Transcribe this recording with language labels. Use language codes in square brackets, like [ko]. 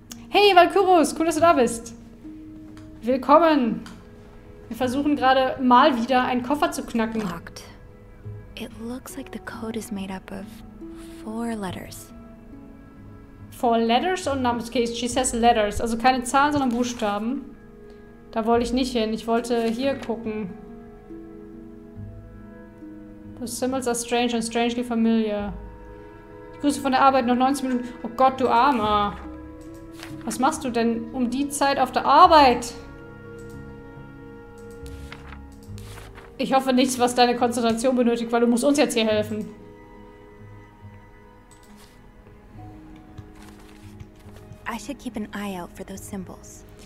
[de] Hey, Valkyros, cool, dass du da bist. Willkommen. Wir versuchen gerade mal wieder einen Koffer zu knacken. [en] Locked. It looks like the code is made up of 4 letters. 4 letters or numbers? Okay, she says letters. [de] Also keine Zahlen, sondern Buchstaben. Da wollte ich nicht hin. Ich wollte hier gucken. [en] The symbols are strange and strangely familiar. [de] Ich grüße von der Arbeit, noch 19 Minuten. Oh Gott, du Armer. Was machst du denn um die Zeit auf der Arbeit? Ich hoffe nichts, was deine Konzentration benötigt, weil du musst uns jetzt hier helfen. [en] I should keep an eye out for those symbols.